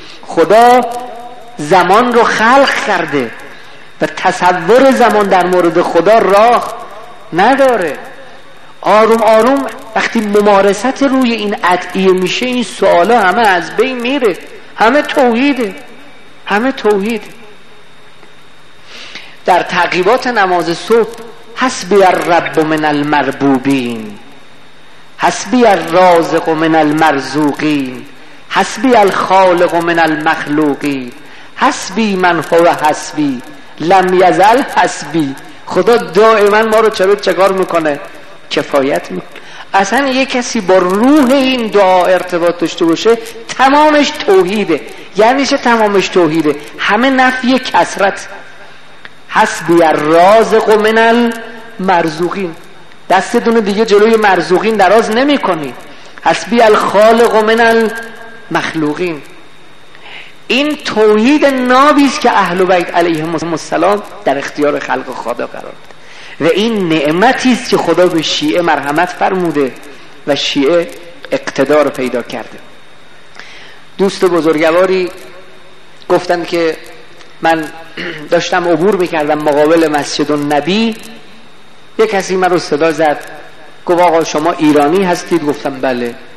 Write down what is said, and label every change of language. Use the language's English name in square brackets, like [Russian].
[Persian] خدا زمان رو خلق کرده و تصور زمان در مورد خدا راه نداره. آروم آروم وقتی ممارست روی این ادعیه میشه، این سوالا همه از بین میره، همه توحیده، همه توحید. در تعقیبات نماز صبح [Arabic] حسبی الرب من المربوبین، حسبی الرازق من المرزوقین، حسبی الخالق من المخلوقین، حسبی من هو حسبی لم یزل حسبی. [Persian] خدا دائما ما رو چرا چکار میکنه؟ کفایت میکنه. اصلا یه کسی با روح این دعا ارتباط داشته باشه تمامش توحیده. یعنی چه تمامش توحیده؟ همه نفی کثرت. [Arabic] حسبی الرازق من المرزوقین، [Persian] دست دونه دیگه جلوی مرزوقین دراز نمی کنی. [Arabic] حسبی الخالق من المخلوقین. [Persian] این توحید نابیست که اهل بیت علیه السلام در اختیار خلق خدا قرار داد و این نعمتیست که خدا به شیعه مرحمت فرموده و شیعه اقتدار پیدا کرده. دوست بزرگواری گفتن که من داشتم عبور میکردم مقابل مسجد النبی، یک کسی من رو صدا زد گفت آقا شما ایرانی هستید؟ گفتم بله.